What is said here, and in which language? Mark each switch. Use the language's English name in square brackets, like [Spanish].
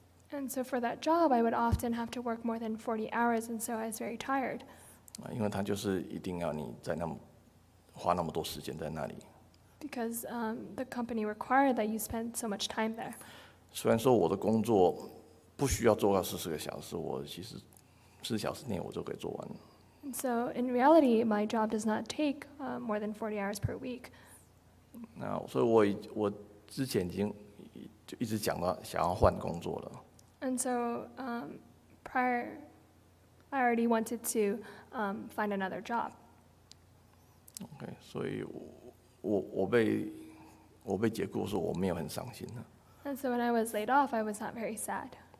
[English] And so for that job, I would often have to work more than 40 hours, and so I was very tired. [Chinese] 因为他就是一定要你在花那么多时间在那里。 [English] Because the company required that you spend so much time there. [Chinese] 虽然说我的工作不需要做到四十个小时，我其实四小时内我就可以做完。 [English] So in reality, my job does not take more than 40 hours per week. [Chinese] 那所以我之前已经就一直讲到想要换工作了。 [English] And so prior, I already wanted to find another job. [Chinese] Okay, 所以我被解雇的时候，我没有很伤心的。 [English] And so when I was laid off, I was not very sad.